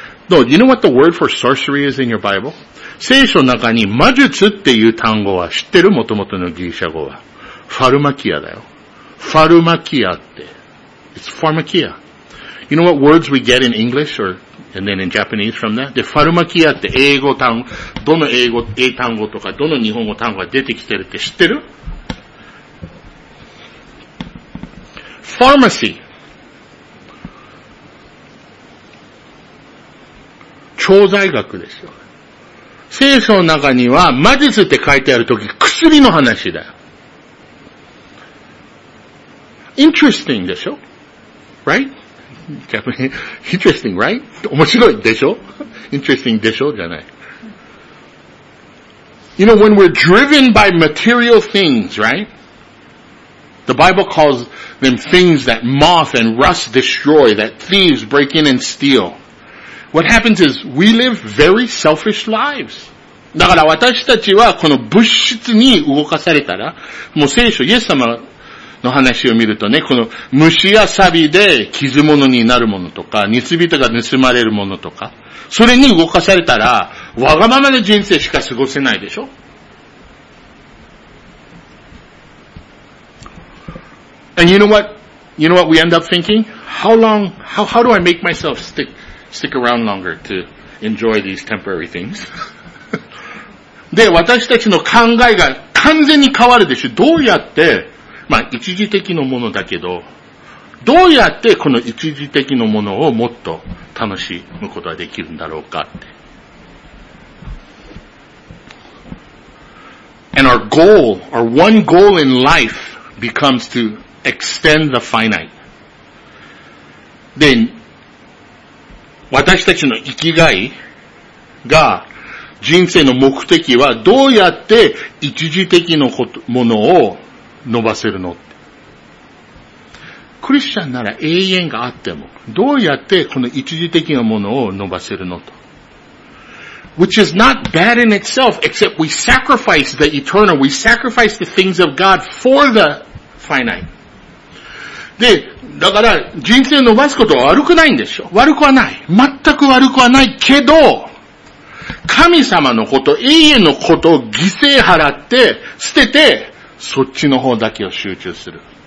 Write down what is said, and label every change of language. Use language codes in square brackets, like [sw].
[en] No, you know what the word for sorcery is in your Bible? [ja] 聖書の中に魔術っていう単語は知ってる？元々のギリシャ語は。ファルマキアだよ。ファルマキアって。 [en] It's pharmakia. You know what words we get in English or, and then in Japanese from that? [ja] で、ファルマキアって英語単語、どの英語、英単語とかどの日本語単語が出てきてるって知ってる？ [en] Pharmacy. [ja] 調剤学ですよ。聖書の中には魔術って書いてあるとき薬の話だよ。 [en] Interesting [ja] でしょ [en] ?Right? Interesting, right? [ja] 面白いでしょ ? [en] Interesting [ja] でしょじゃない。 [en] You know, when we're driven by material things, right? The Bible calls them things that moth and rust destroy, that thieves break in and steal. What happens is, we live very selfish lives. [ja] だから私たちはこの物質に動かされたら、もう聖書、イエス様の話を見るとね、この虫やサビで傷物になるものとか、ニツビタが盗まれるものとか、それに動かされたら、わがままな人生しか過ごせないでしょ。 [en] And you know what? You know what we end up thinking? How do I make myself stick around longer to enjoy these temporary things. [ja] で、私たちの考えが完全に変わるでしょ。どうやって、まあ一時的のものだけど、どうやってこの一時的のものをもっと楽しむことができるんだろうかって。 [en] And our goal, our one goal in life becomes to extend the finite. Then, [ja] 私たちの生きがいが、人生の目的はどうやって一時的のものを伸ばせるの？クリスチャンなら永遠があっても、どうやってこの一時的なものを伸ばせるのと。 [en] Which is not bad in itself, except we sacrifice the eternal, we sacrifice the things of God for the finite. [ja] で、だから人生伸ばすことは悪くないんでしょ。悪くはない。全く悪くはないけど、神様のこと、永遠のことを犠牲払って、捨てて、そっちの方だけを集中する。